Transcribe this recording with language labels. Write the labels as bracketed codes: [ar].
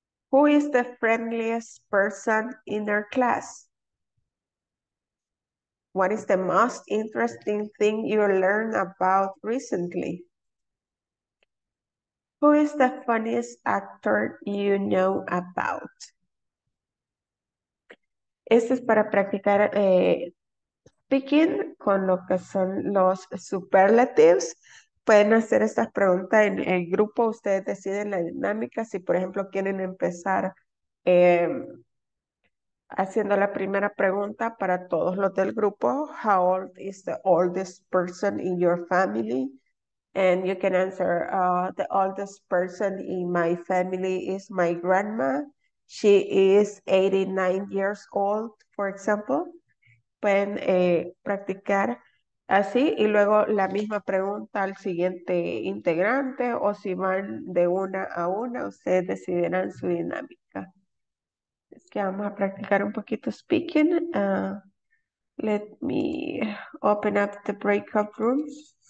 [en] Who is the friendliest person in our class? What is the most interesting thing you learned about recently? Who is the funniest actor you know about? [es] Esto es para practicar speaking con lo que son los superlatives. Pueden hacer estas preguntas en el grupo. Ustedes deciden la dinámica. Si, por ejemplo, quieren empezar haciendo la primera pregunta para todos los del grupo. [en] How old is the oldest person in your family? And you can answer, the oldest person in my family is my grandma. She is 89 years old, for example. [es] Pueden practicar así y luego la misma pregunta al siguiente integrante o si van de una a una, ustedes decidirán su dinámica. Es que vamos a practicar un poquito speaking. [en] Let me open up the breakout rooms.